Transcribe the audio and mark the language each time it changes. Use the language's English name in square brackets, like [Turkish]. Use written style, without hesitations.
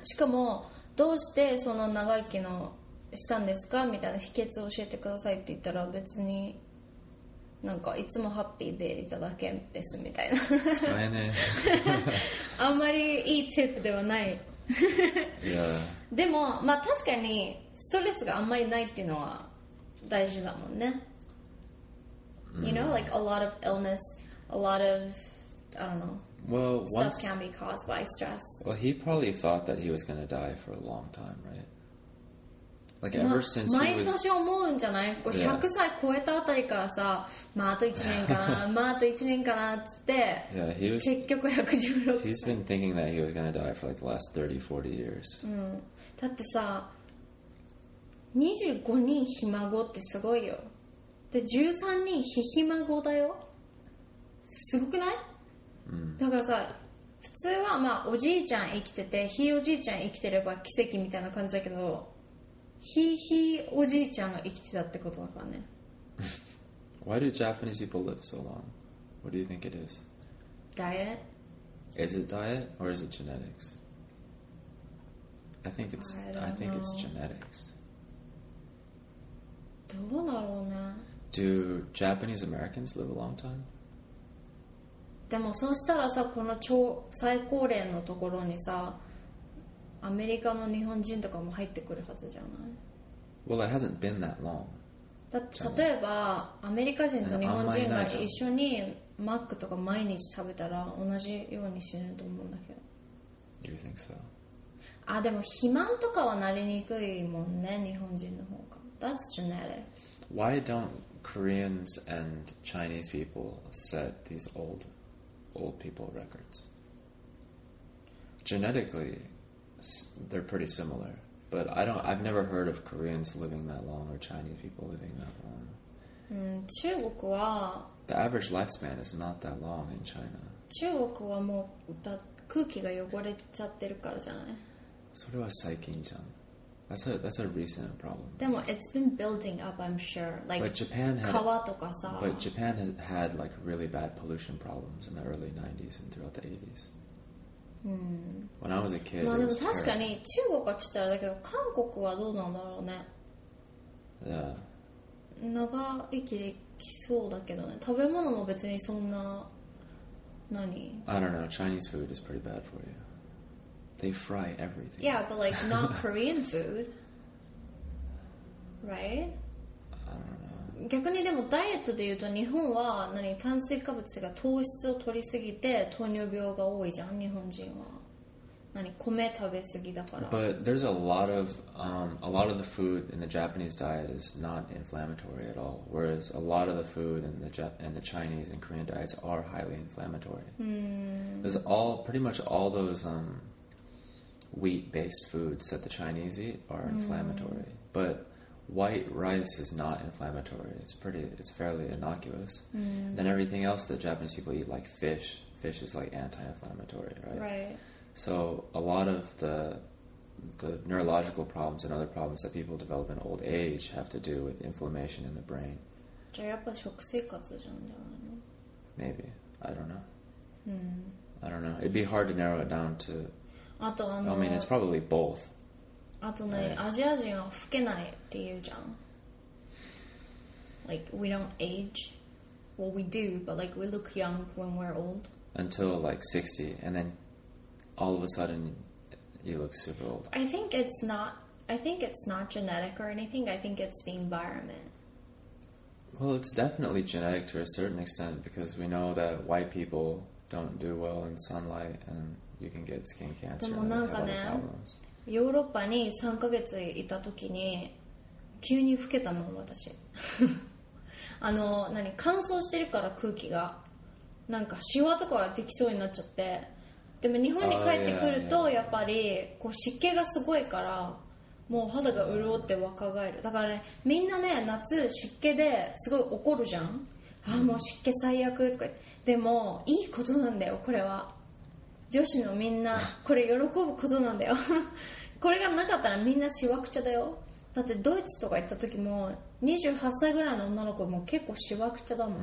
[Japanese] しかも、どうしてその長生きのしたんですかみたいな秘訣を教えてくださいって言ったら、別になんかいつもハッピーでいただけですみたいな。使えねえ。あんまりいいチップではない。 [English] Yeah. [Japanese] でも、まあ確かにストレスがあんまりないっていうのは大事だもんね。 Mm. [English] You know, like a lot of illness, a lot of, I don't know, Well, stuff can be caused by stress. Well, he probably thought that he was going to die for a long time, right? Like, ever since he was... [Japanese] 毎年思うんじゃない？ 100 歳超えたあたりからさ、まああと1年かな、まああと1年かなって言って、 [English] yeah, he was, [Japanese] 結局116歳。 [English] He's been thinking that he was going to die for like the last 30, 40 years. [Japanese] だってさ、25人ひ孫ってすごいよ。で、13人ひひ孫だよ。すごくない？だからさ、普通はまあおじいちゃん生きてて、ひいおじいちゃん生きてれば奇跡みたいな感じだけど、ひいひいおじいちゃんが生きてたってことだからね。 [English] Why do Japanese people live so long? What do you think it is? Diet? Is it diet or is it genetics? I think it's genetics. [Japanese] どうだろうね。 [English] Do Japanese Americans live a long time? [Japanese] でもそうしたらさ、この超最高齢のところにさ、アメリカの日本人とかも入ってくるはずじゃない? [English] Well, it hasn't been that long. [Japanese] だ例えばアメリカ人と日本人が一緒にマックとか毎日食べたら同じように死ぬと思うんだけど。 [English] Do you think so? [Japanese] あ、でも肥満とかはなりにくいもんね、日本人の方が。 [English] That's genetics. Why don't Koreans and Chinese people set these old people records? Genetically, they're pretty similar. But I've never heard of Koreans living that long or Chinese people living that long. [Japanese] 中国は [English] The average lifespan is not that long in China. [Japanese] 中国はもう空気が汚れちゃってるからじゃない? それは最近じゃん。 [English] That's a recent problem. でも it's been building up, I'm sure. Like, but Japan had, [Japanese] 川とかさ。 [English] But Japan has had like really bad pollution problems in the early 90s and throughout the 80s. When I was a kid, [Japanese] まあでも確かに中国はちったらだけど韓国はどうなんだろうね。 [English] Yeah. [Japanese] 長生きできそうだけどね。食べ物も別にそんな何。 [English] I don't know. Chinese food is pretty bad for you. They fry everything. Yeah, but like not Korean food, right? I don't know. [Japanese] 逆にでもダイエットで言うと日本は何炭水化物が糖質を取りすぎて糖尿病が多いじゃん日本人は。 [English] But there's a lot of the food in the Japanese diet is not inflammatory at all. Whereas a lot of the food in the Chinese and Korean diets are highly inflammatory. There's pretty much all those wheat-based foods that the Chinese eat are inflammatory. But white rice is not inflammatory. It's fairly innocuous. Then everything else that Japanese people eat, like fish, fish is like anti-inflammatory, right? Right. So a lot of the neurological problems and other problems that people develop in old age have to do with inflammation in the brain. [Japanese] じゃあやっぱ食生活じゃんじゃないの? [English] Maybe. I don't know. Mm. I don't know. It'd be hard to narrow it down to... [Japanese] あと [English] I mean, it's probably both. [Japanese] あと何? アジア人は老けないって言うじゃん。 [English] Like, we don't age. Well, we do, but like, we look young when we're old. Until like 60, and then... All of a sudden, you look super old. I think it's not genetic or anything. I think it's the environment. Well, it's definitely genetic to a certain extent because we know that white people don't do well in sunlight and you can get skin cancer. [Japanese] でもなんかね、ヨーロッパに3ヶ月いた時に急に老けたもん私。あの、何、乾燥してるから空気が。なんかシワとかができそうになっちゃって。でも日本に帰ってくるとやっぱりこう湿気がすごいからもう肌が潤って若返るだからねみんなね夏湿気ですごい怒るじゃん、うん、あもう湿気最悪とか言ってでもいいことなんだよこれは女子のみんなこれ喜ぶことなんだよこれがなかったらみんなシワくちゃだよだってドイツとか行った時も28歳ぐらいの女の子も結構シワくちゃだもん、